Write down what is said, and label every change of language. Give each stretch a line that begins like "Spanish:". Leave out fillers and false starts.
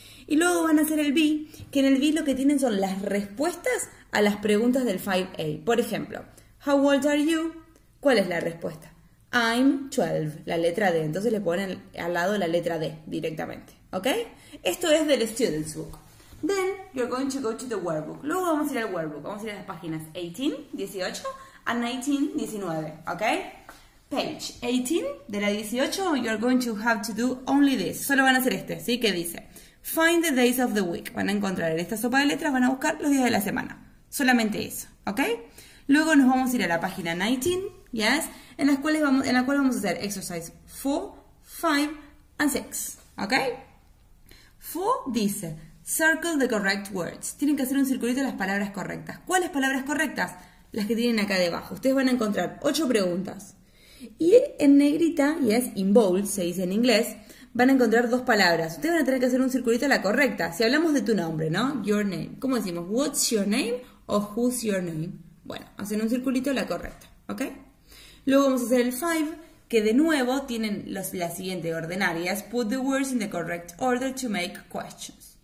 Spanish: Y luego van a hacer el B, que en el B lo que tienen son las respuestas a las preguntas del 5A.
English: Por ejemplo, how old are you?
Spanish: ¿Cuál es la respuesta?
English: I'm 12,
Spanish: la letra D. Entonces le ponen al lado la letra D directamente, ¿ok? Esto es del student's book.
English: Then, you're going to go to the workbook.
Spanish: Luego vamos a ir al workbook. Vamos a ir a las páginas 18, 18 and 19, 19, ¿ok?
English: Page 18
Spanish: de la 18,
English: you're going to have to do only this.
Spanish: Solo van a hacer este, ¿sí? Que dice,
English: find the days of the week.
Spanish: Van a encontrar en esta sopa de letras, van a buscar los días de la semana. Solamente eso, ¿ok? Luego nos vamos a ir a la página 19, ¿yes? En la cual vamos a hacer
English: exercise 4, 5 and 6,
Spanish: ¿ok? 4 dice,
English: circle the correct words.
Spanish: Tienen que hacer un circulito de las palabras correctas. ¿Cuáles palabras correctas? Las que tienen acá debajo. Ustedes van a encontrar 8 preguntas. Y en negrita, yes,
English: in bold,
Spanish: se dice en inglés, van a encontrar 2 palabras. Ustedes van a tener que hacer un circulito de la correcta. Si hablamos de tu nombre, ¿no?
English: Your name.
Spanish: ¿Cómo decimos?
English: What's your name? O who's your name?
Spanish: Bueno, hacen un circulito de la correcta, ¿ok? Luego vamos a hacer el 5, que de nuevo tienen la siguiente ordenaria.
English: Put the words in the correct order to make questions.